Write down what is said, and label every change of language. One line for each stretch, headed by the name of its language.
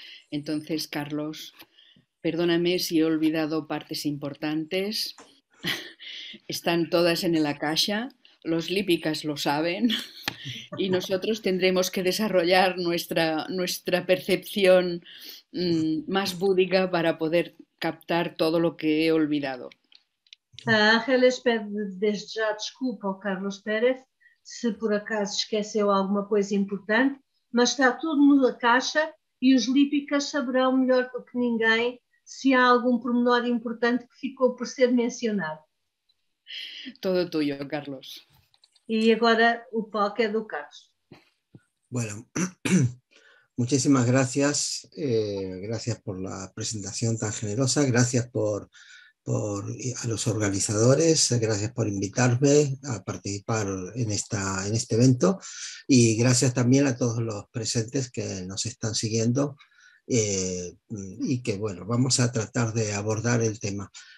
Spanish: Entonces, Carlos, perdóname si he olvidado partes importantes. Están todas en la caja, los lípicas lo saben, y nosotros tendremos que desarrollar nuestra percepción más búdica para poder captar todo lo que he olvidado.
Portuguese: A Ángeles pede desde já desculpa ao Carlos Pérez se por acaso esqueceu alguma coisa importante, mas está tudo na caixa e os lípicas saberão melhor do que ninguém se há algum pormenor importante que ficou por ser mencionado.
Spanish: Todo tuyo, Carlos.
Portuguese: E agora o palco é do Carlos.
Spanish: Bueno, muchísimas gracias. Gracias por la presentación tan generosa. Gracias por a los organizadores, gracias por invitarme a participar en este evento y gracias también a todos los presentes que nos están siguiendo y que, bueno, vamos a tratar de abordar el tema.